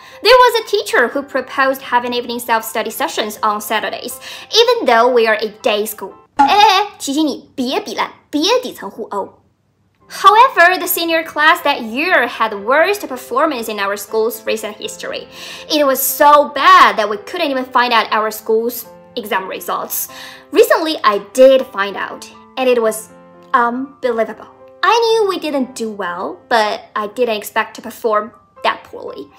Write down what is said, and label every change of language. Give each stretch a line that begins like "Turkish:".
English: There was a teacher who proposed having evening self-study sessions on Saturdays, even though we are a day school.
Chinese: 提醒你别比烂，别底层互殴。
English: However, the senior class that year had the worst performance in our school's recent history. It was so bad that we couldn't even find out our school'sexam results. Recently, I did find out, and it was unbelievable. I knew we didn't do well, but I didn't expect to perform that poorly.